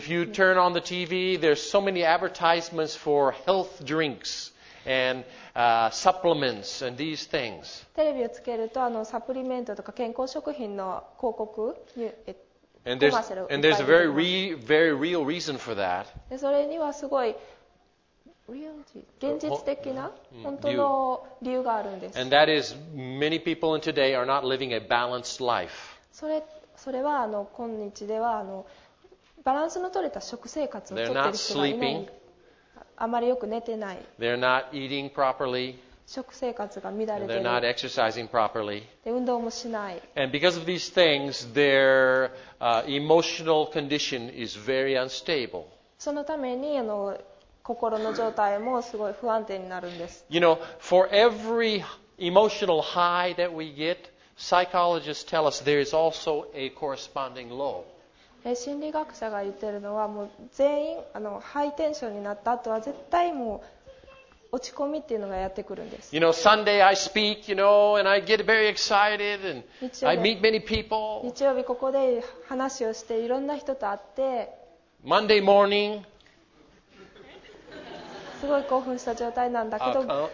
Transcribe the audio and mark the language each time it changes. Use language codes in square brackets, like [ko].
[en] If you turn on the TV, there's so many advertisements for health drinks and supplements and these things. [ja] テレビをつけるとサプリメントとか健康食品の広告に。 [en] And there's a very, very real reason for that. [ja] それにはすごい現実的な本当の理由があるんです。 [en] And that is many people in today are not living a balanced life. [ja] それは今日ではバランスの取れた食生活をとっている人がいない。 [en] They're not sleeping. [ja] あまりよく寝てない。 [en] They're not eating properly. [ja] 食生活が乱れている。 [en] They're not exercising properly. [ja] で、運動もしない。 [en] And because of these things, their emotional condition is very unstable. [ja] そのために心の状態もすごい不安定になるんです。 [en] You know, for every emotional high that we get, psychologists tell us there is also a corresponding low. [ja] 心理学者が言ってるのはもう全員ハイテンションになった後は絶対もう落ち込みっていうのがやってくるんです。 [en] You know, Sunday I speak, you know, and I get very excited and I meet many people. [ja] 日曜日ここで話をしていろんな人と会って。 [en] Monday morning. [ja] すごい興奮した状態なんだけど。